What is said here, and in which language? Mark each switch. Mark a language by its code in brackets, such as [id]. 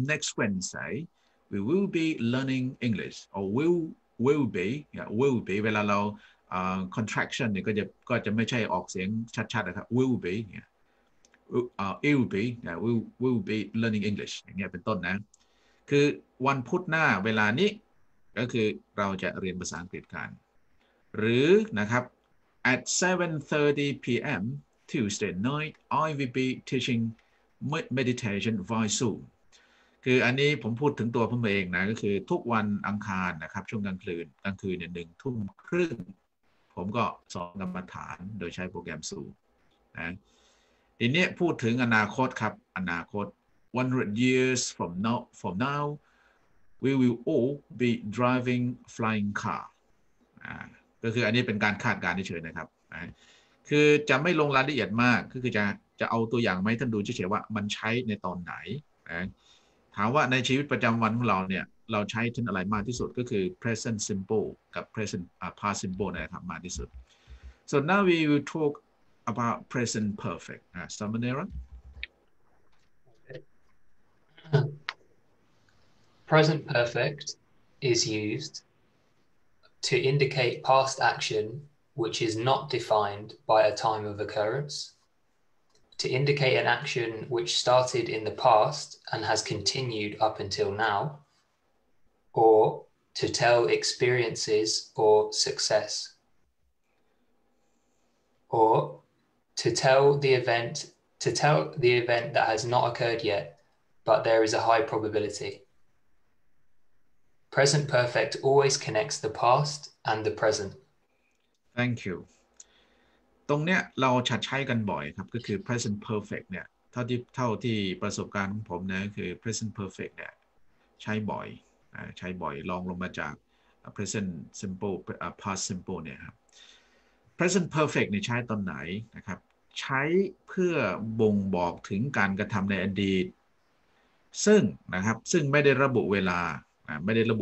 [en] next Wednesday we will be [th] learning English or [en] will be yeah will be เวลาเรา contraction เนี่ยก็จะไม่ใช่ออกเสียงชัดๆนะครับ will be เนี่ย will be yeah will be learning English [th] อย่างเงี้ยเป็นต้นนะคือวันพุธหน้าเวลานี้ก็คือเราจะเรียนภาษาอังกฤษกันหรือนะครับ [en] At 7:30 p.m. Tuesday night, I will be teaching meditation via Zoom. [th] คืออันนี้ผมพูดถึงตัวผมเองนะก็คือทุกวันอังคารนะครับช่วงกลางคืนเนี่ย1:30ผมก็สอนกรรมฐานโดยใช้โปรแกรมซูมนะทีนี้พูดถึงอนาคตครับอนาคต [en] 100 years from now we will all be driving flying car [th] ก็คืออันนี้เป็นการคาดการณ์เฉยๆนะครับนะคือจะไม่ลงรายละเอียดมากคือจะเอาตัวอย่างมาให้ท่านดูเฉยๆว่ามันใช้ในตอนไหนนะถามว่าในชีวิตประจำวันของเราเนี่ยเราใช้ทันอะไรมากที่สุดก็คือ present simple กับ present past simple นะครับมากที่สุด [en] so now we will talk about present perfect Samanera present perfect is used to indicate past action which is not defined by a time of occurrence to indicate an action which started in the past and has continued up until now, or to tell experiences or success, or to tell the event that has not occurred yet, but there is a high probability. Present perfect always connects the past and the present. Thank you. [th] ตรงเนี้ยเราชัดใช้กันบ่อยครับก็คือ present perfect เนี่ยเท่าที่ประสบการณ์ของผมนะคือ present perfect เนี่ยใช้บ่อยลองลงมาจาก present simple past simple เนี่ยครับ present perfect เนี่ยใช้ตอนไหนนะครับใช้เพื่อบ่งบอกถึงการกระทำในอดีตซึ่งไม่ได้ระบุเวลาไม่ไ